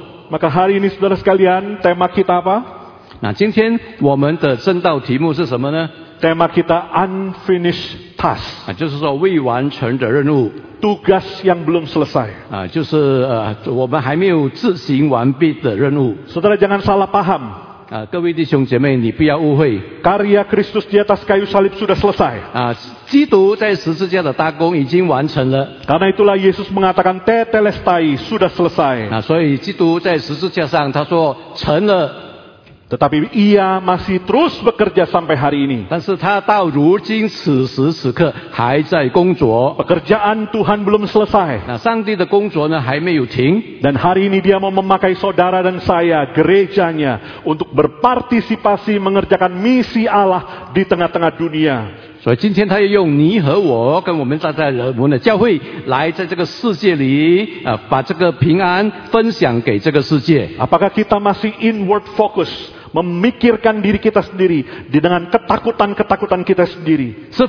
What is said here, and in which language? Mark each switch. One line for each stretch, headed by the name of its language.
Indonesian: Maka hari ini saudara sekalian, tema kita apa?
Chinese: Nah, 今天我们的正道题目是什么呢?
Indonesian: Tema kita
English: unfinished task.
Chinese: 就是说未完成的任务.
Indonesian: Tugas yang belum selesai.
Chinese: 就是我们还没有执行完毕的任务.
Indonesian: Saudara jangan salah paham.
Chinese: 各位弟兄姐妹，你不要误会.
Indonesian: Karya Kristus di atas kayu salib sudah selesai.
Chinese: 基督在十字架的大功已经完成了.
Indonesian: Karena itulah Yesus mengatakan tetelestai, sudah selesai.
Chinese: 所以基督在十字架上他说成了.
Indonesian: Tetapi ia masih terus bekerja sampai hari ini.
Chinese: 但是他到如今此时此刻还在工作.
Indonesian: Pekerjaan Tuhan belum selesai.
Chinese: 上帝的工作呢还没有停.
Indonesian: Dan hari ini dia mau memakai saudara dan saya, gerejanya, untuk berpartisipasi mengerjakan misi Allah di tengah-tengah dunia.
Chinese: 所以今天他要用你和我跟我们在人们的教会来在这个世界里把这个平安分享给这个世界.
Indonesian: Apakah kita masih
English: inward focus
Indonesian: memikirkan diri kita sendiri dengan ketakutan-ketakutan kita sendiri?